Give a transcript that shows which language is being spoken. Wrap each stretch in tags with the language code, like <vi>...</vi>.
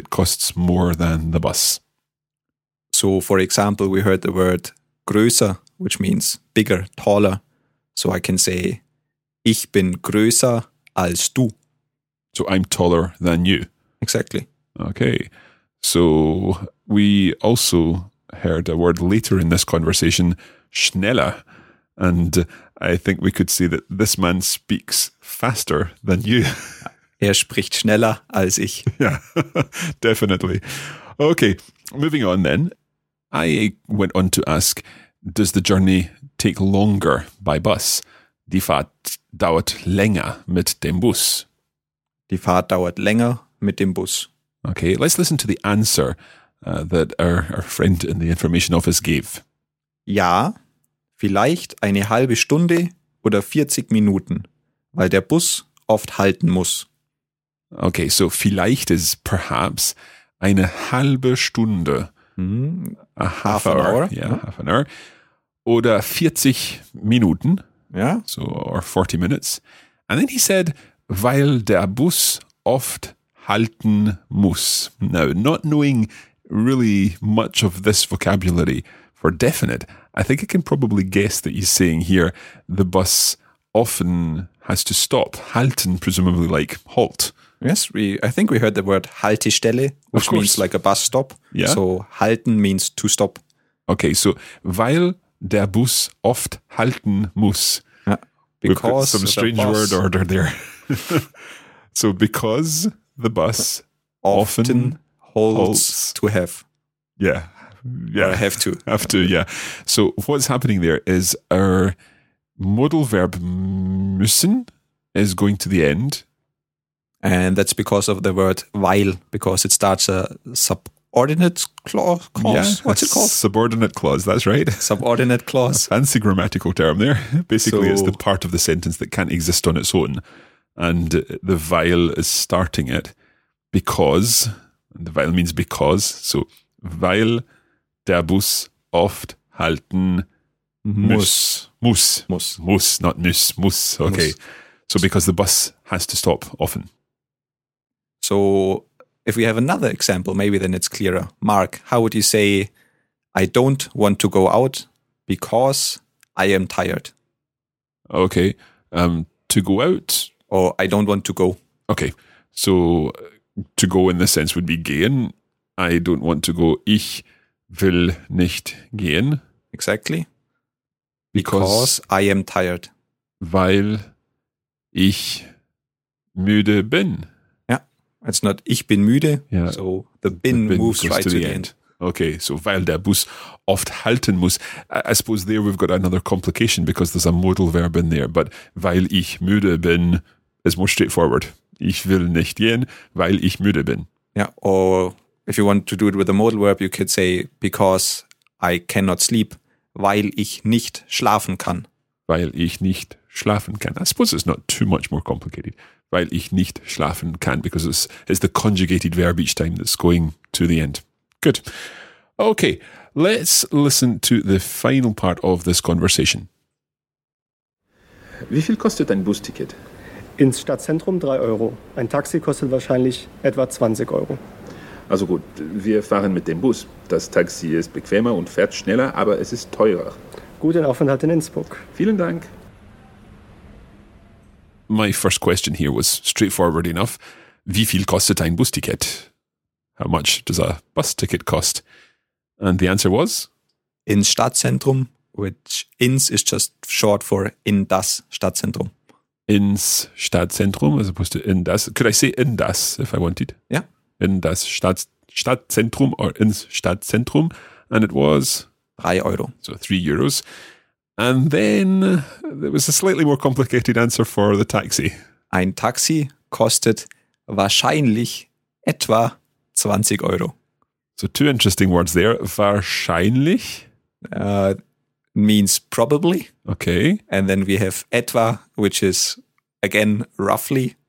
<en>It costs more than the bus. So, for example, we heard the word größer, which means bigger, taller. So I can say,</en> <de>ich bin größer als du.</de> <en>So I'm taller than you. Exactly. Okay. So we also heard a word later in this conversation, schneller. And I think we could say that this man speaks faster than you.</en> <de>Er spricht schneller als ich.</de> <en>Yeah, definitely. Okay, moving on then. I went on to ask, does the journey take longer by bus?</en> <de>Die Fahrt dauert länger mit dem Bus. Die Fahrt dauert länger mit dem Bus.</de> <en>Okay, let's listen to the answer that our friend in the information office gave.</en> <de>Ja, vielleicht eine halbe Stunde oder 40 Minuten, weil der Bus oft halten muss.</de> <en>Okay, so vielleicht is perhaps</en> <de>eine halbe Stunde.</de> <en>Mm-hmm. A half an hour. Yeah, mm-hmm. Half an hour.</en> <de>Oder 40 Minuten.</de> <en>Yeah. So, or 40 minutes. And then he said,</en> <de>weil der Bus oft halten muss.</de> <en>Now, not knowing really much of this vocabulary for definite, I think I can probably guess that he's saying here, the bus often has to stop. Halten, presumably like halt. Yes, I think we heard the word Haltestelle, which means like a bus stop. Yeah. So halten means to stop. Okay, so</en> <de>weil der Bus oft halten muss.</de> <en>Because we've got some strange word order there. So because the bus often holds to have. Yeah. Yeah. Or have to. Have to, yeah. So what's happening there is our modal verb müssen is going to the end. And that's because of the word weil, because it starts a subordinate clause. Yeah, what's it called? Subordinate clause, that's right. Subordinate clause. A fancy grammatical term there. Basically, so, it's the part of the sentence that can't exist on its own. And the weil is starting it because, and the weil means because.</en> <de>So, weil der Bus oft halten muss. Muss. Muss. Muss, not muss. Muss. Okay.</de> <en>So, because the bus has to stop often. So, if we have another example, maybe then it's clearer. Mark, how would you say, I don't want to go out because I am tired? Okay. To go out? Or I don't want to go. Okay. So, to go in this sense would be gehen. I don't want to go.</en> <de>Ich will nicht gehen.</de> <en>Exactly. Because I am tired.</en> <de>Weil ich müde bin.</de> <en>It's not,</en> <de>ich bin müde,</de> <en>yeah. So the bin moves right to the end. Okay, so</en> <de>weil der Bus oft halten muss.</de> <en>I suppose there we've got another complication because there's a modal verb in there, but</en> <de>weil ich müde bin</de> <en>is more straightforward.</en> <de>Ich will nicht gehen, weil ich müde bin.</de> <en>Yeah, or if you want to do it with a modal verb, you could say because I cannot sleep,</en> <de>weil ich nicht schlafen kann. Weil ich nicht schlafen kann.</de> <en>I suppose it's not too much more complicated.</en> <de>Weil ich nicht schlafen kann,</de> <en>because it's the conjugated verb each time that's going to the end. Good. Okay, let's listen to the final part of this conversation.</en> <de>Wie viel kostet ein Busticket? Ins Stadtzentrum 3 Euro. Ein Taxi kostet wahrscheinlich etwa 20 Euro. Also gut, wir fahren mit dem Bus. Das Taxi ist bequemer und fährt schneller, aber es ist teurer. guten Aufenthalt in Innsbruck. Vielen Dank.</de> <en>My first question here was straightforward enough.</en> <de>Wie viel kostet ein Busticket?</de> <en>How much does a bus ticket cost? And the answer was? Ins Stadtzentrum, which ins is just short for</en> <de>in das Stadtzentrum. Ins Stadtzentrum</de> <en>as opposed to</en> <de>in das.</de> <en>Could I say in das if I wanted? Yeah.</en> <de>In das Stadtzentrum or ins Stadtzentrum.</de> <en>And it was?</en> <de>3 Euro.</de> <en>So 3 euros. And then there was a slightly more complicated answer for the taxi.</en> <de>Ein Taxi kostet wahrscheinlich etwa 20 Euro.</de> <en>So two interesting words there.</en> <de>Wahrscheinlich</de> <en>means probably. Okay. And then we have etwa, which is again roughly.</en>